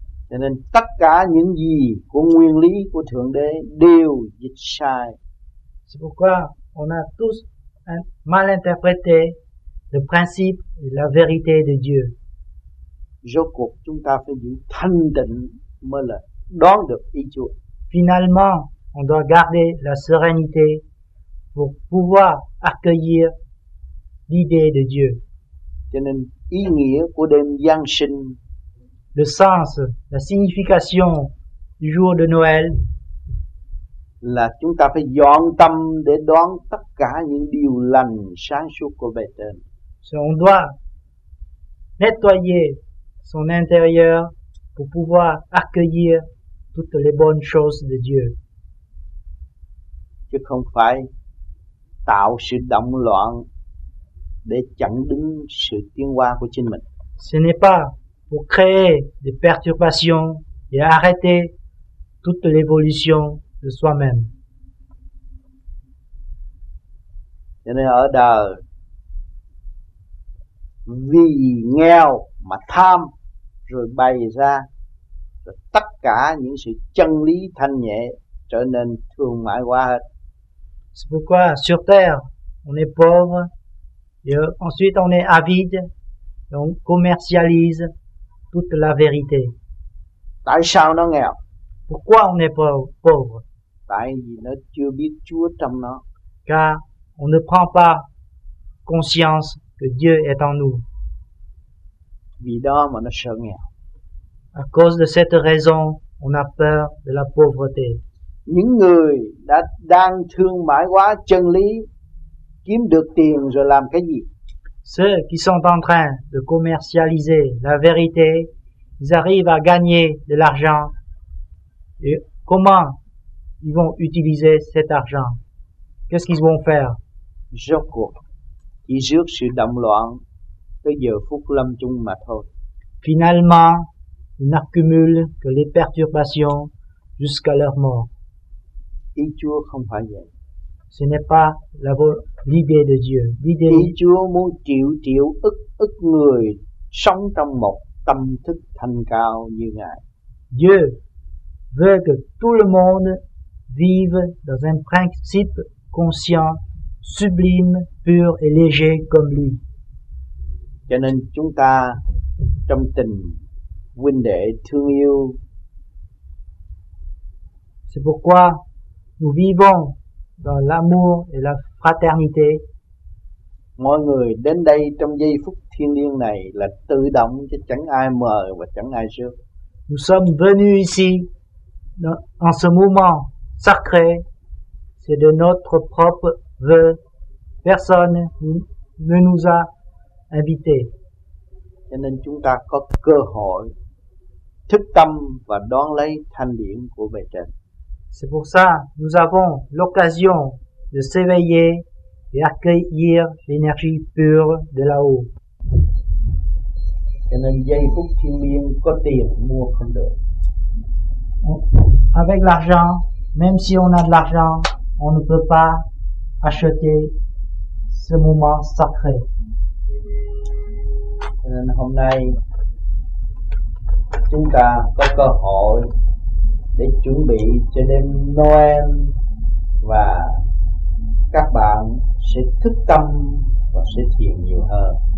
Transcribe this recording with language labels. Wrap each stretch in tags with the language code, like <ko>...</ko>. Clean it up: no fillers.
<vi>Cho nên tất cả những gì của nguyên lý của Thượng Đế đều dịch sai.</vi> <fr>C'est pourquoi on a tous mal interprété le principe et la vérité de Dieu.</fr> <vi>Rốt cuộc chúng ta phải giữ thanh tịnh mới là đoán được ý Chúa.</vi> <fr>Finalement, on doit garder la sérénité pour pouvoir accueillir l'idée de Dieu.</fr> <vi>Cho nên ý nghĩa của đêm Giáng sinh,</vi> <fr>le sens, la signification du jour de Noël,</fr> <vi>là chúng ta phải dọn tâm để đoán tất cả những điều lành sáng suốt của bề trên.</vi> <fr>So on doit nettoyer son intérieur pour pouvoir accueillir toutes les bonnes choses de Dieu.</fr> <vi>Chứ không phải tạo sự động loạn để chặn đứng sự tiến hóa của chính mình.</vi> <fr>Ce n'est pas pour créer des perturbations et arrêter toute l'évolution de soi-même.</fr> <vi>Cho nên ở đời vì nghèo mà tham, rồi bày ra rồi tất cả những sự chân lý thanh nhẹ trở nên thương mại hóa hết.</vi> <fr>C'est pourquoi sur terre on est pauvre et ensuite on est avide et on commercialise toute la vérité.</fr> <vi>Tại sao nó nghèo?</vi> <fr>Pourquoi on est pauvre?</fr> <vi>Tại vì nó chưa biết Chúa trong nó.</vi> <fr>Car on ne prend pas conscience que Dieu est en nous.</fr> <vi>Vì đó mà nó sợ nghèo.</vi> <fr>À cause de cette raison, on a peur de la pauvreté.</fr> <vi>Những người đã đang thương mại quá chân lý, kiếm được tiền rồi làm cái gì?</vi> <fr>Ceux qui sont en train de commercialiser la vérité, ils arrivent à gagner de l'argent. Et comment ils vont utiliser cet argent? Qu'est-ce qu'ils vont faire? Je crois qu'ils jouent sur la loi de Dieu pour l'âme d'une matière. Finalement, ils n'accumulent que les perturbations jusqu'à leur mort.</fr> <vi>Ý Chúa không phải vậy.</vi> <fr>Ce n'est pas la l'idée de Dieu. L'idée</fr> <vi>Ý Chúa muốn triệu triệu ức ức người sống trong một tâm thức thanh cao như Ngài.</vi> <fr>Dieu veut que tout le monde vive dans un principe conscient, sublime, pur et léger comme lui.</fr> <vi>Cho nên chúng ta trong tình huynh đệ thương yêu.</vi> <fr>C'est pourquoi nous vivons dans l'amour et la fraternité.</fr> <vi>Mọi người đến đây trong giây phút thiêng liêng này là tự động chứ chẳng ai mời và chẳng ai rước.</vi> <fr>Nous sommes venus ici en ce moment sacré, c'est de notre propre vœu. Personne ne nous a invités.</fr> <vi>Cho nên chúng ta có cơ hội thức tâm và đón lấy thanh điển của bề trên.</vi> <fr>C'est pour ça que nous avons l'occasion de s'éveiller et accueillir l'énergie pure de là-haut.</fr> <vi>Cho nên giây phút thiên liêng có tiền mua không được.</vi> <fr>Avec l'argent, même si on a de l'argent, on ne peut pas acheter ce moment sacré.</fr> <vi>Cho nên hôm nay chúng ta có cơ hội để chuẩn bị cho đêm Noel và các bạn sẽ thức tâm và sẽ thiền nhiều hơn.</vi>